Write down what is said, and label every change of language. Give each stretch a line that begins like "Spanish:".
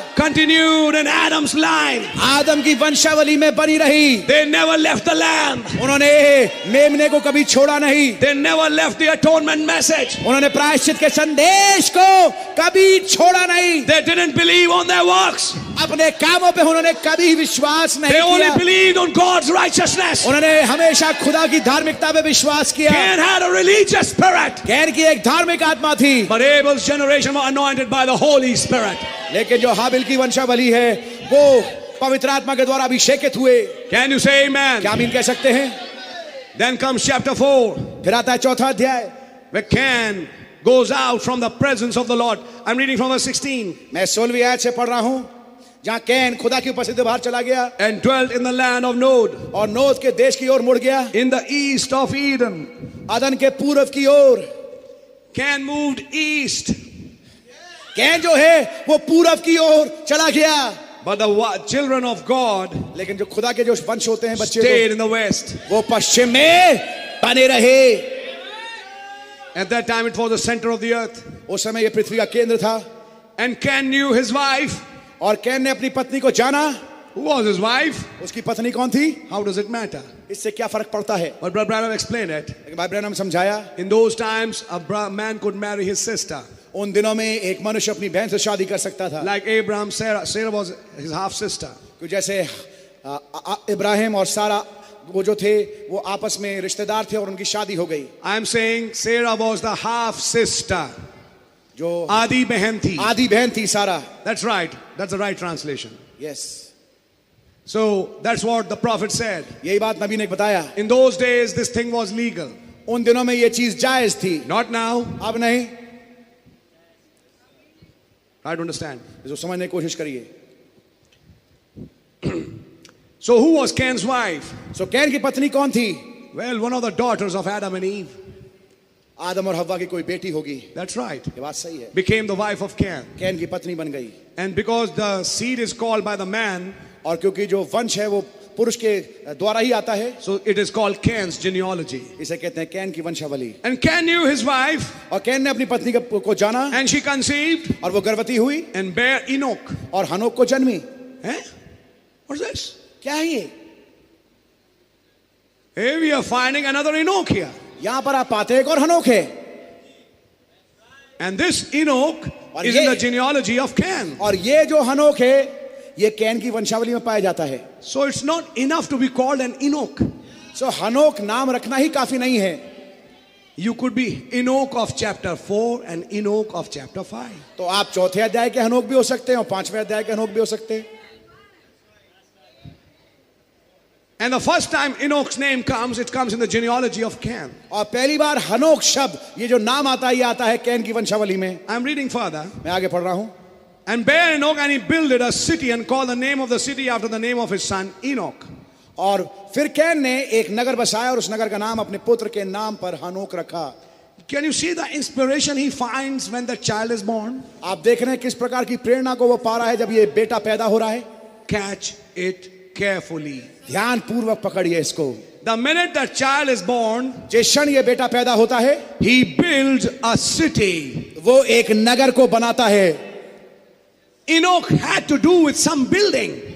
English: Continued in Adam's line.
Hindi: आदम की वंशावली में बनी रही।
English: They never left the lamb.
Hindi: उन्होंने मेमने को कभी छोड़ा नहीं।
English: They never left the atonement message.
Hindi: उन्होंने प्रायश्चित के संदेश को कभी छोड़ा नहीं।
English: They didn't believe on their works.
Hindi: अपने कामों पे उन्होंने कभी विश्वास नहीं किया।
English: They only believed on God's righteousness.
Hindi: उन्होंने हमेशा खुदा की धार्मिकता पे विश्वास किया।
English: Cain had a religious spirit.
Hindi: Can की एक धार्मिक आत्मा थी।
English: But Abel's generation was anointed by the Holy Spirit.
Hindi: लेकिन जो हाबिल की वंशावली है, वो पवित्र आत्मा के द्वारा अभिषेकित हुए।
English: Can you say amen?
Hindi: क्या आमीन कह सकते हैं?
English: Then comes chapter 4.
Hindi: फिर आता है चौथा अध्याय।
English: Where Cain goes out from the presence of the Lord. I'm reading from verse 16.
Hindi: मैं 16वीं आयत से पढ़ रहा हूँ। जहाँ कैन खुदा की उपस्थिति बाहर चला गया।
English: And dwelt in the land of Nod.
Hindi: और नोद के देश की ओर मुड़ गया।
English: In the east of Eden.
Hindi: अदन के पूर्व की ओर।
English: Cain moved east.
Hindi: कैन जो है वो पूर्व की ओर चला गया।
English: But the children of God.
Hindi: लेकिन जो खुदा के जो वंश होते हैं बच्चे,
English: stayed in the west.
Hindi: वो पश्चिम में बने रहे।
English: At that time, it was the center of the earth.
Hindi: उस समय ये पृथ्वी का केंद्र था.
English: And Cain knew his wife.
Hindi: और कैन ने अपनी पत्नी को जाना.
English: Who was his wife?
Hindi: उसकी पत्नी कौन थी?
English: How does it matter?
Hindi: इससे क्या फर्क पड़ता है?
English: But Brother Branham explained it.
Hindi: भाई ब्रैनम समझाया.
English: In those times, a man could marry his sister.
Hindi: उन दिनों में एक मनुष्य अपनी बहन से शादी कर सकता था.
English: Like Abraham, Sarah. Sarah was his half sister.
Hindi: कुछ जैसे इब्राहिम और सारा वो जो थे वो आपस में रिश्तेदार थे और उनकी शादी हो गई.
English: I am saying Sarah was the half sister.
Hindi: जो आधी बहन थी सारा.
English: That's right. That's the right translation. Yes. So that's what the prophet said.
Hindi: यही बात नबी ने बताया.
English: In those days this thing was legal.
Hindi: उन दिनों में ये चीज जायज थी.
English: Not now.
Hindi: अब नहीं.
English: Try to understand.
Hindi: इसको समझने की कोशिश करिए.
English: So who was Cain's wife?
Hindi: So Cain की पत्नी कौन थी?
English: Well, one of the daughters of Adam and Eve.
Hindi: आदम और हव्वा की कोई बेटी होगी.
English: That's right.
Hindi: ये बात सही है.
English: Became the wife of Cain.
Hindi: Cain की पत्नी बन गई.
English: And because the seed is called by the man.
Hindi: और क्योंकि जो वंश है वो पुरुष के द्वारा ही आता है.
English: So it is called Cain's genealogy.
Hindi: इसे कहते हैं कैन की वंशावली.
English: And Cain knew his wife.
Hindi: और कैन ने अपनी पत्नी को जाना.
English: And she conceived.
Hindi: और वो गर्भवती हुई.
English: And bare Enoch.
Hindi: और हनोक को जन्मी.
English: है? What's this?
Hindi: क्या है ये?
English: Hey, we are finding another Enoch here.
Hindi: यहाँ पर आप पाते हैं एक और हनोक है.
English: And this Enoch is in the genealogy of Cain.
Hindi: और ये जो हनोक है ये कैन की वंशावली में पाया जाता है.
English: So it's not enough to be called an Enoch.
Hindi: So हनोक नाम रखना ही काफी नहीं है.
English: You could be Enoch of chapter 4 and Enoch of chapter 5.
Hindi: तो आप चौथे अध्याय के हनोक भी हो सकते हैं और पांचवें अध्याय के हनोक भी हो सकते हैं.
English: And the first time Enoch's name comes, it comes in the genealogy of Cain.
Hindi: और पहली बार हनोक शब्द ये जो नाम आता है ये आता है कैन की वंशावली में.
English: I'm reading further.
Hindi: मैं आगे पढ़ रहा हूँ.
English: And bare Enoch, and he builded a city and called the name of the city after the name of his son Enoch.
Hindi: और फिर कैन ने एक नगर बसाया और उस नगर का नाम अपने पुत्र के नाम पर हनोक रखा.
English: Can you see the inspiration he finds when the child is born?
Hindi: आप देख रहे हैं किस प्रकार की प्रेरणा को वो पा रहा है जब ये बेटा पैदा हो रहा है.
English: Catch it carefully.
Hindi: ध्यान पूर्वक पकड़िए इसको.
English: The minute the child is born,
Hindi: जिस क्षण ये बेटा पैदा होता है,
English: he builds a city.
Hindi: वो एक नगर को बनाता है.
English: Enoch had to do with some building.